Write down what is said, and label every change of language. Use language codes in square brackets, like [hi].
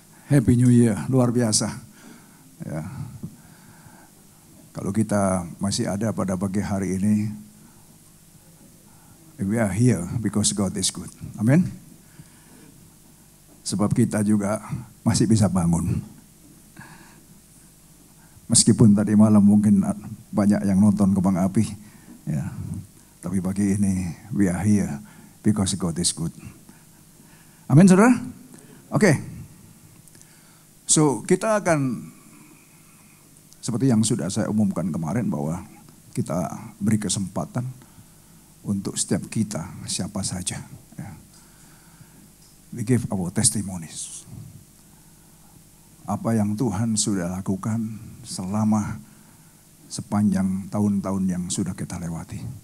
[en] Happy New Year. [id] Luar biasa. Ya. Kalau kita masih ada pada pagi hari ini, [en] we are here because God is good. [id] Amen. Sebab kita juga masih bisa bangun. Meskipun tadi malam mungkin banyak yang nonton kembang api. Ya. Tapi pagi ini, [en] we are here because God is good. [id] Amin, saudara? Oke. Okay. So, kita akan, seperti yang sudah saya umumkan kemarin, bahwa kita beri kesempatan untuk setiap kita, siapa saja. Ya. [en] We give our testimonies. [id] Apa yang Tuhan sudah lakukan selama sepanjang tahun-tahun yang sudah kita lewati.